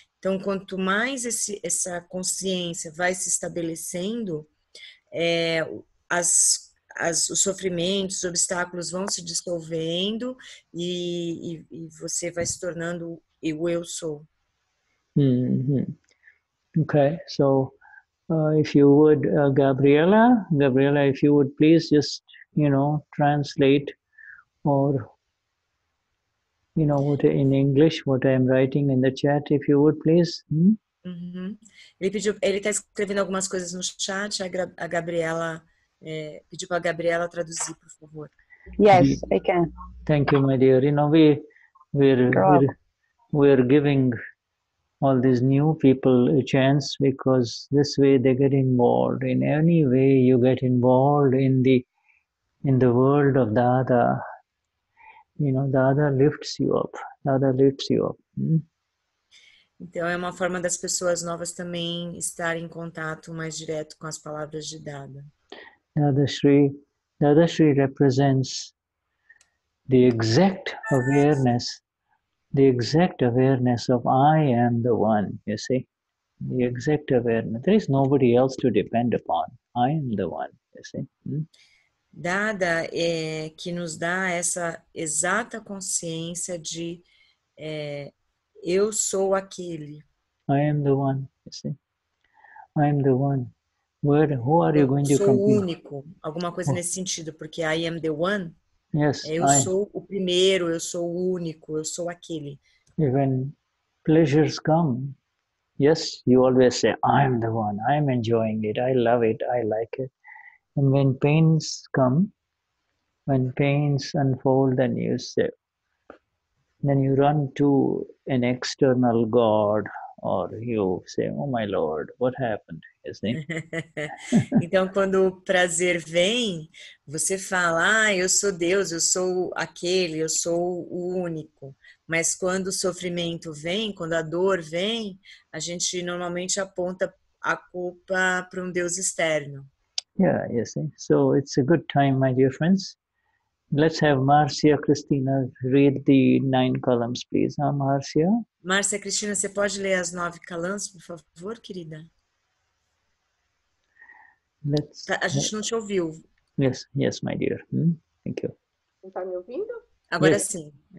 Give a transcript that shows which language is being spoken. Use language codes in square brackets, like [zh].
[pt] Então, quanto mais essa consciência vai se estabelecendo, os sofrimentos, os obstáculos vão se dissolvendo e você vai se tornando o eu sou. Mm-hmm. [en] Okay, so if you would, Gabriella, if you would please just, you know, translate or... You know, in English, what I'm writing in the chat, if you would, please. [pt] Ele pediu, ele está escrevendo algumas coisas no chat, a Gabriela, pediu para a Gabriela traduzir, por favor. [en] Yes, I can. Thank you, my dear. You know, we're giving all these new people a chance because this way they get involved. In any way you get involved in the world of Dada, you know, Dada lifts you up. Dada lifts you up. [pt] Então é uma forma das pessoas novas também estar em contato mais direto com as palavras de Dada. [en] Dadashri represents the exact awareness. The exact awareness of I am the one, you see. The exact awareness. There is nobody else to depend upon. I am the one, you see. [pt] Dada é que nos dá essa exata consciência de eu sou aquele. [en] I am the one, you see. I am the one. Where, who are you going to compete? [pt] Sou o único, alguma coisa nesse sentido, porque [en] I am the one. Yes, [pt] sou o primeiro, eu sou o único, eu sou aquele. [en] When pleasures come, yes, you always say, I am the one, I am enjoying it, I love it, I like it. And when pains come, when pains unfold, then you run to an external god, or you say, oh my lord, what happened? [pt] Então, quando o prazer vem, você fala, ah, eu sou Deus, eu sou aquele, eu sou o único. Mas quando o sofrimento vem, quando a dor vem, a gente normalmente aponta a culpa para um Deus externo. [en] Yeah, you see. So it's a good time, my dear friends. Let's have Marcia Cristina read the 9 columns, please. Huh, Marcia? [pt] Marcia Cristina, você pode ler as 9 columns, por favor, querida? A gente não te ouviu. [en] Yes, my dear. Thank you. [pt] Está me ouvindo? Agora sim.